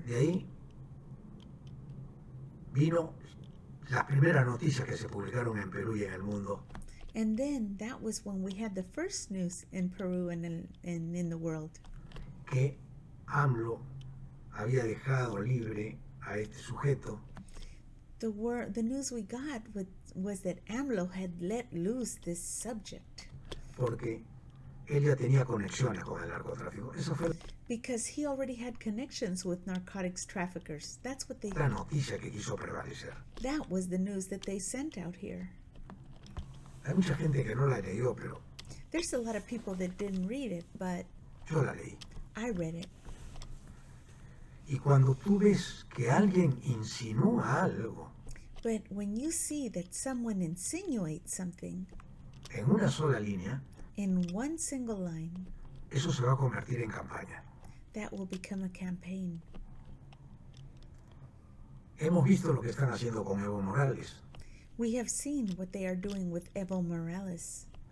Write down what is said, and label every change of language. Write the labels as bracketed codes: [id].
[es] De ahí vino las primeras noticias que se publicaron en Perú y en el mundo. [en] And then that was when we had the first news in Peru and in the world. [es] Que AMLO había dejado libre a este sujeto. [en] The news we got was that AMLO had let loose this subject. [es] Porque él ya tenía conexiones con el narcotráfico. Eso fue. [en] Because he already had connections with narcotics traffickers. That's what they. [es] La noticia que quiso prevalecer. [en] That was the news that they sent out here. [es] Hay mucha gente que no la leyó, pero. [en] There's a lot of people that didn't read it, but. [es] Yo la leí. [en] I read it. [es] Y cuando tú ves que alguien insinúa algo. [en] But when you see that someone insinuates something. [es] En una sola línea. [en] In one single line. [es] Eso se va a convertir en campaña. [en] That will become a campaign. [es] Hemos visto lo que están haciendo con Evo Morales. [en] We have seen what they are doing with Evo Morales.